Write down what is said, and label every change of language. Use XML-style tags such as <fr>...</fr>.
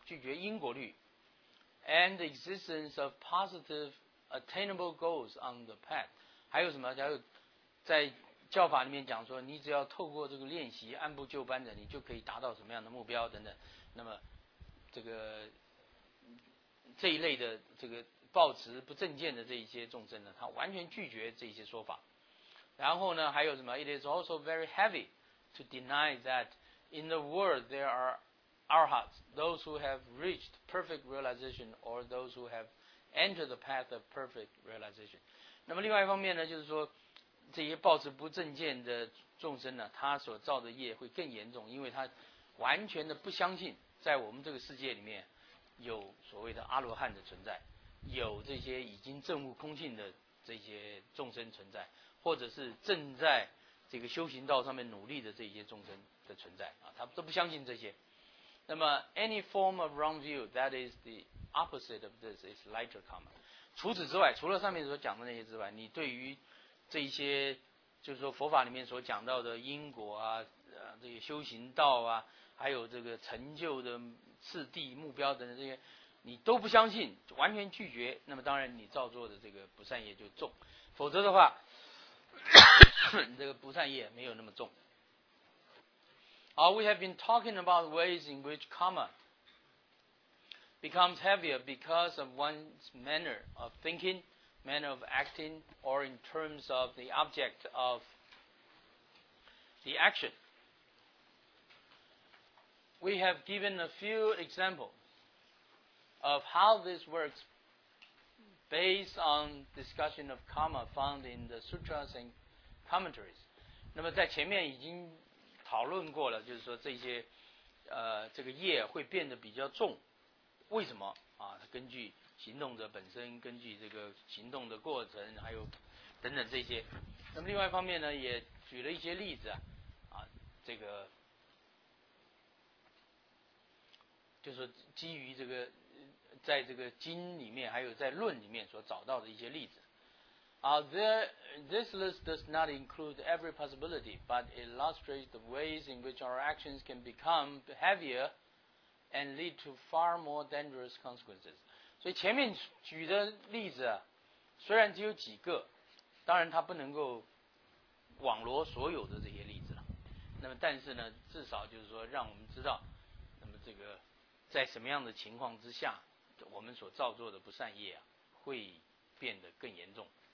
<zh>拒绝因果律，</zh> <en>and the existence of positive attainable goals on the path，</en> <zh>还有什么？还有在教法里面讲说，你只要透过这个练习，按部就班的，你就可以达到什么样的目标等等。那么，这个这一类的这个抱持不正见的这一些众生呢，他完全拒绝这些说法。然后呢，还有什么</zh> <en>？It is also very heavy to deny that in the world there are arhats, those who have reached perfect realization, or those who have entered the path of perfect realization.</en> <zh>那么另外一方面呢，就是说。这些抱持不正见的众生呢，他所造的业会更严重，因为他完全的不相信在我们这个世界里面有所谓的阿罗汉的存在，有这些已经证悟空性的这些众生存在，或者是正在这个修行道上面努力的这些众生的存在啊，他都不相信这些。那么</zh> <en>any form of wrong view that is the opposite of this is lighter karma。</en> <zh>除此之外，除了上面所讲的那些之外，你对于这一些就是说佛法里面所讲到的因果啊，这些修行道啊，还有这个成就的次第目标等等，这些你都不相信，完全拒绝，那么当然你造作的这个不善业就重，否则的话这个不善业没有那么重。</zh> <en>We have been talking about ways in which karma becomes heavier because of one's manner of thinkingmanner of acting, or in terms of the object of the action. We have given a few examples of how this works based on discussion of karma found in the sutras and commentaries.</en> <zh>那么在前面已经讨论过了，就是说这些这个业会变得比较重，为什么啊？它根据行动者本身，根据这个行动的过程，还有等等这些。那么另外一方面呢，也举了一些例子啊，这个就是基于这个在这个经里面，还有在论里面所找到的一些例子啊。</zh> <en>This list does not include every possibility, but illustrates the ways in which our actions can become heavier and lead to far more dangerous consequences.</en> <zh>所以前面举的例子啊，虽然只有几个，当然它不能够网罗所有的这些例子了。那么但是呢，至少就是说让我们知道，那么这个在什么样的情况之下，我们所造作的不善业啊，会变得更严重。</zh>